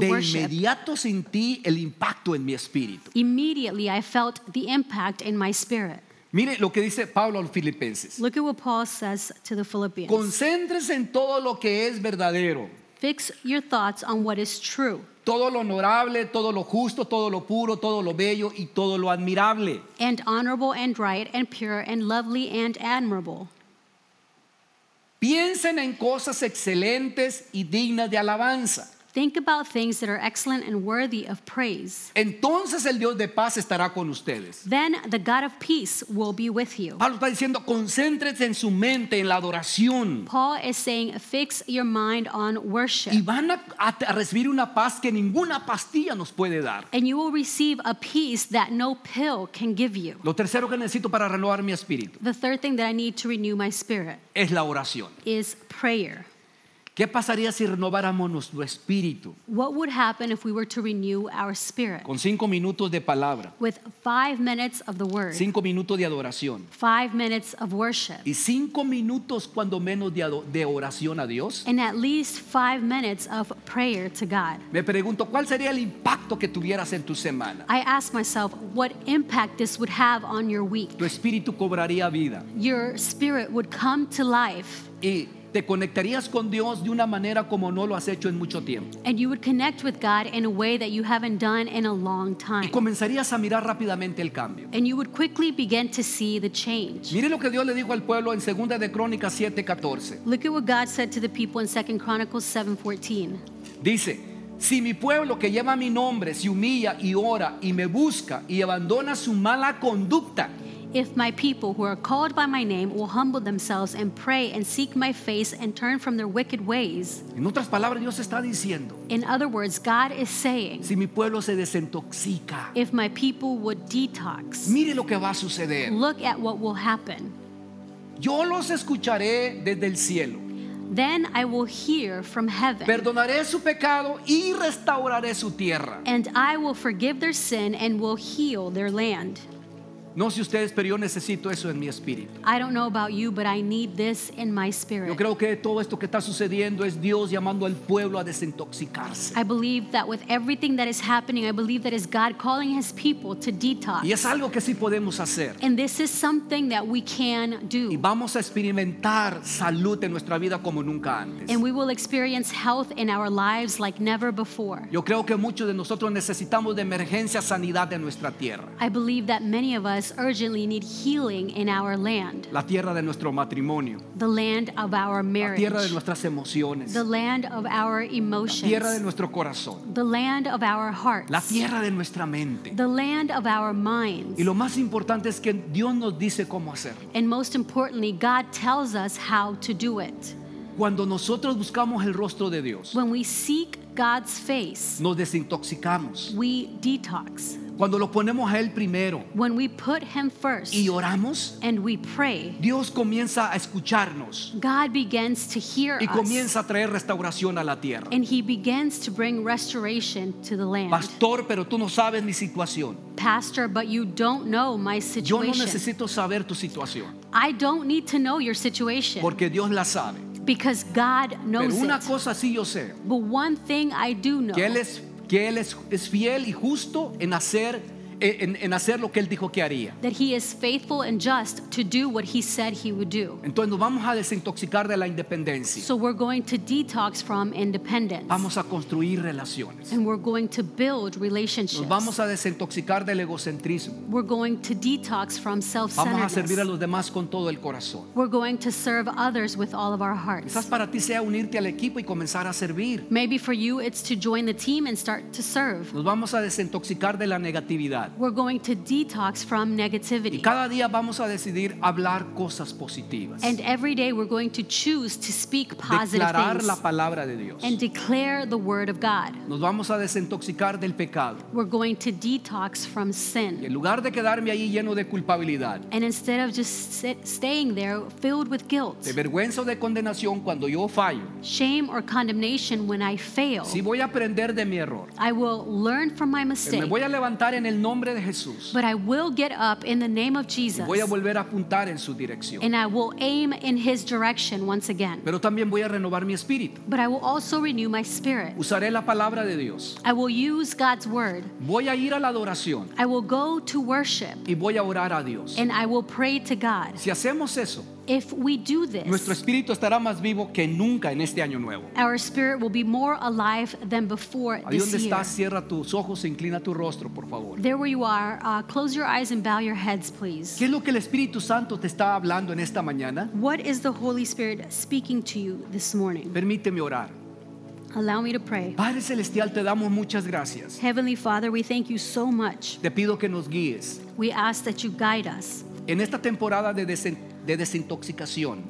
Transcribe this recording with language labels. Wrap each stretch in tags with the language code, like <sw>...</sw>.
<en>worship.</en> <es>De inmediato sentí el impacto en mi espíritu.</es> <en>Immediately I felt the impact in my spirit.</en> <es>Mire lo que dice Pablo a los Filipenses.</es> <en>Look at what Paul says to the Philippians.</en> <es>Concéntrese en todo lo que es verdadero.</es> <en>Fix your thoughts on what is true.</en> <es>Todo lo honorable, todo lo justo, todo lo puro, todo lo bello y todo lo admirable.</es> <en>And honorable and right and pure and lovely and admirable.</en> <es>Piensen en cosas excelentes y dignas de alabanza.</es> <en>Think about things that are excellent and worthy of praise.</en> <es>Entonces el Dios de paz estará con ustedes.</es> <en>Then the God of peace will be with you.</en> <es>Pablo está diciendo, concéntrese en su mente en la adoración.</es> <en>Paul is saying, fix your mind on worship.</en> <es>Y van a recibir una paz que ninguna pastilla nos puede dar.</es> <en>And you will receive a peace that no pill can give you.</en> <es>Lo tercero que necesito para renovar mi espíritu.</es> <en>The third thing that I need to renew my spirit.</en> <es>Es la oración.</es> <en>Is prayer.</en> <es>¿Qué pasaría si renováramos nuestro espíritu?</es> <en>What would happen if we were to renew our spirit?</en> <es>Con 5 minutos de palabra.</es> <en>With 5 minutes of the word.</en> <es>5 minutos de adoración.</es> <en>5 minutes of worship.</en> <es>Y 5 minutos cuando menos de oración a Dios.</es> <en>And at least 5 minutes of prayer to God.</en> <es>Me pregunto, ¿cuál sería el impacto que tuvieras en tu semana?</es> <en>I ask myself, what impact this would have on your week?</en> <es>Tu espíritu cobraría vida.</es> <en>Your spirit would come to life.</en> <es>Y te conectarías con Dios de una manera como no lo has hecho en mucho tiempo.</es> <en>And you would connect with God in a way that you haven't done in a long time.</en> <es>Y comenzarías a mirar rápidamente el cambio.</es> <en>And you would quickly begin to see the change.</en> <es>Mire lo que Dios le dijo al pueblo en 2 Crónicas 7:14.</es> <en>Look at what God said to the people in 2 Chronicles 7:14.</en> <es>Dice, si mi pueblo que lleva mi nombre se humilla y ora y me busca y abandona su mala conducta.</es> <en>If my people who are called by my name will humble themselves and pray and seek my face and turn from their wicked ways.</en> <es>En otras palabras, Dios está diciendo.</es> <en>In other words, God is saying.</en> <es>Si mi pueblo se desintoxica.</es> <en>If my people would detox.</en> <es>Mire lo que va a suceder.</es> <en>Look at what will happen.</en> <es>Yo los escucharé desde el cielo.</es> <en>Then I will hear from heaven.</en> <es>Perdonaré su pecado y restauraré su tierra.</es> <en>And I will forgive their sin and will heal their land.</en> <es>No sé ustedes, pero yo necesito eso en mi espíritu.</es> <en>I don't know about you, but I need this in my spirit.</en> <es>Yo creo que todo esto que está sucediendo es Dios llamando al pueblo a desintoxicarse.</es> <en>I believe that with everything that is happening, I believe that is God calling his people to detox.</en> <es>Y es algo que sí podemos hacer.</es> <en>And this is something that we can do.</en> <es>Y vamos a experimentar salud en nuestra vida como nunca antes.</es> <en>And we will experience health in our lives like never before.</en> <es>Yo creo que muchos de nosotros necesitamos de emergencia sanidad de nuestra tierra.</es> <en>I believe that many of us urgently need healing in our land.</en> <es>La tierra de nuestro matrimonio.</es> <en>The land of our marriage.</en> <es>La tierra de nuestras emociones.</es> <en>The land of our emotions.</en> <es>La tierra de nuestro corazón.</es> <en>The land of our hearts.</en> <es>La tierra de nuestra mente.</es> <en>The land of our minds.</en> <es>Y lo más importante es que Dios nos dice cómo hacerlo.</es> <en>And most importantly, God tells us how to do it.</en> <es>Cuando nosotros buscamos el rostro de Dios.</es> <en>When we seek God's face.</en> <es>Nos desintoxicamos.</es> <en>We detox.</en> <es>Cuando lo ponemos a él primero.</es> <en>When we put him first.</en> <es>Y oramos.</es> <en>And we pray.</en> <es>Dios comienza a escucharnos.</es> <en>God begins to hear us.</en> <es>Y comienza a traer restauración a la tierra.</es> <en>And he begins to bring restoration to the land.</en> <es>Pastor, pero tú no sabes mi situación.</es> <en>Pastor, but you don't know my situation.</en> <es>Yo no necesito saber tu situación.</es> <en>I don't need to know your situation.</en> <es>Porque Dios la sabe.</es> <en>Because God knows it.</en> <es>Pero una</es> <en>it.</en> <es>Cosa sí yo sé.</es> <en>But one thing I do know.</en> <es>Que él es fiel y justo en hacer lo que él dijo que haría.</es> <en>That he is faithful and just to do what he said he would do.</en> <es>Entonces vamos a desintoxicar de la independencia.</es> <en>So we're going to detox from independence.</en> <es>Vamos a construir relaciones.</es> <en>And we're going to build relationships.</en> <es>Nos vamos a desintoxicar del egocentrismo.</es> <en>We're going to detox from self-centeredness.</en> <es>Vamos a servir a los demás con todo el corazón.</es> <en>We're going to serve others with all of our hearts.</en> <es>Quizás para ti sea unirte al equipo y comenzar a servir.</es> <en>Maybe for you it's to join the team and start to serve.</en> <es>Nos vamos a desintoxicar de la negatividad.</es> <en>We're going to detox from negativity.</en> <es>Y cada día vamos a decidir hablar cosas positivas.</es> <en>And every day we're going to choose to speak positive</en> <es>declarar</es> <en>things.</en> <es>Declarar la palabra de Dios.</es> <en>And declare the word of God.</en> <es>Nos vamos a desintoxicar del pecado.</es> <en>We're going to detox from sin.</en> <es>Y en lugar de quedarme ahí lleno de culpabilidad.</es> <en>And instead of just staying there filled with guilt.</en> <es>De vergüenza o de condenación cuando yo fallo.</es> <en>Shame or condemnation when I fail.</en> <es>Si voy a aprender de mi error.</es> <en>I will learn from my mistake.</en> <es>Me voy a levantar en el nombre nombre de Jesús.</es> <en>But I will get up in the name of Jesus.</en> <es>Y voy a volver a apuntar en su dirección.</es> <en>And I will aim in his direction once again.</en> <es>Pero también voy a renovar mi espíritu.</es> <en>But I will also renew my spirit.</en> <es>Usaré la palabra de Dios.</es> <en>I will use God's word.</en> <es>Voy a ir a la adoración.</es> <en>I will go to worship.</en> <es>Y voy a orar a Dios.</es> <en>And I will pray to God.</en> <es>Si hacemos eso,</es> <en>if we do this,</en> <es>nuestro espíritu estará más vivo que nunca en este año nuevo.</es> <en>Our spirit will be more alive than before this year.</en> <es>Ahí donde estás, cierra tus ojos e inclina tu rostro, por favor.</es> <en>There where you are, close your eyes and bow your heads, please.</en> <es>¿Qué es lo que el Espíritu Santo te está hablando en esta mañana?</es> <en>What is the Holy Spirit speaking to you this morning?</en> <es>Permíteme orar.</es> <en>Allow me to pray.</en> <es>Padre celestial, te damos muchas gracias.</es> <en>Heavenly Father, we thank you so much.</en> <es>Te pido que nos guíes.</es> <en>We ask that you guide us.</en> <es>En esta temporada de desintoxicación.</es>